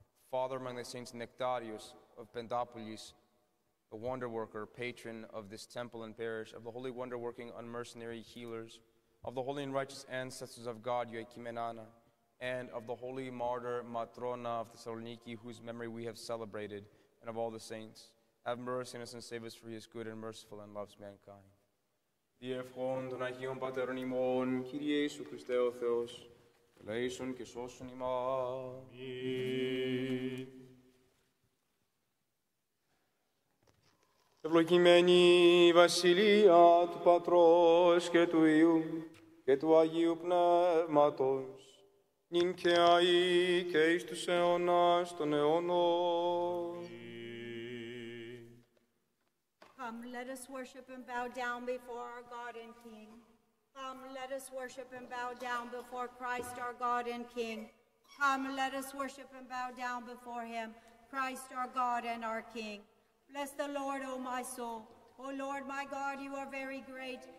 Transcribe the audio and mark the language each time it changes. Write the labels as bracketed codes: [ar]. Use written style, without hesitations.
[en] Father among the saints Nektarios of Pentapolis, the wonder worker, patron of this temple and parish, of the holy, wonder-working, unmercenary healers, of the holy and righteous ancestors of God, Joachim and Anna, and of the holy martyr Matrona of Thessaloniki, whose memory we have celebrated, and of all the saints. Have mercy on us and save us, for he is good and merciful and loves mankind. [el] Δι' ευχών των Αγίων Πατέρων ημών, Κύριε Ιησού Χριστέ ο Θεός, ελέησον και σώσον ημάς. Ευλογημένη Βασιλεία του Πατρός και του Υιού και του Αγίου Πνεύματος, νυν και αεί και εις τους αιώνας των αιώνων. [en] Come, let us worship and bow down before our God and King. Come, let us worship and bow down before Christ, our God and King. Come, let us worship and bow down before him, Christ, our God and our King. Bless the Lord, O my soul. O Lord, my God, you are very great.